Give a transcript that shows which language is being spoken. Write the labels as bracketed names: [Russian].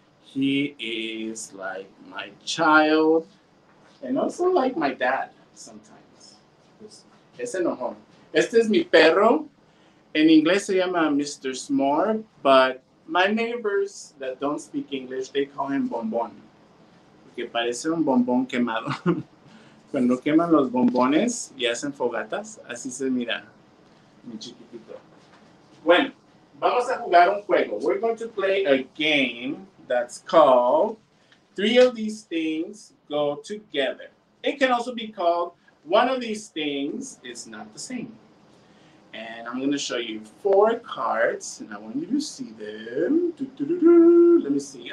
[English] He is like my child. And also like my dad sometimes. [Spanish] Ese no home. Este es mi perro. En inglés se llama Mr. [English] S'more, but my neighbors that don't speak English, they call him Bombón. [Spanish] Porque parece un bombón quemado. Cuando queman los bombones y hacen fogatas, así se mira, mi chiquitito. Bueno, vamos a jugar un juego. [English] We're going to play a game that's called Three of These Things Go Together. It can also be called One of These Things Is Not the Same. And I'm going to show you four cards, and I want you to see them. Let me see.